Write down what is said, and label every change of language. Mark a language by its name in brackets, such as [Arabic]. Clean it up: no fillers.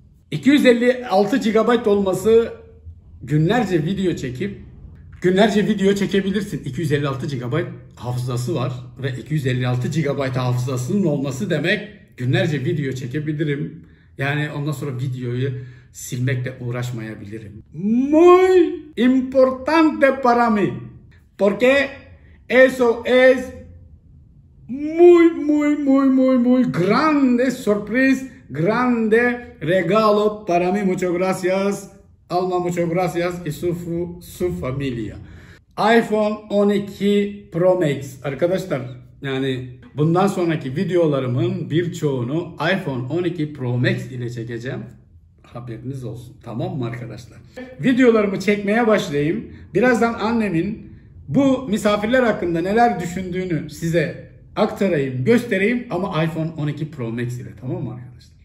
[Turkish] 256 GB olması günlerce video çekip günlerce video çekebilirsin. 256 GB hafızası var ve 256 GB hafızasının olması demek günlerce video çekebilirim. Yani ondan sonra videoyu silmekle uğraşmayabilirim. [Spanish] Muy importante para mí. Porque eso es muy muy muy muy muy grande sorpresa, grande regalo para mí. Muchas gracias. Alma muchas gracias y su familia. [Turkish] iPhone 12 Pro Max arkadaşlar. Yani bundan sonraki videolarımın birçoğunu iPhone 12 Pro Max ile çekeceğim. Haberiniz olsun. Tamam mı arkadaşlar? Videolarımı çekmeye başlayayım. Birazdan annemin bu misafirler hakkında neler düşündüğünü size aktarayım, göstereyim ama iPhone 12 Pro Max ile. Tamam mı arkadaşlar?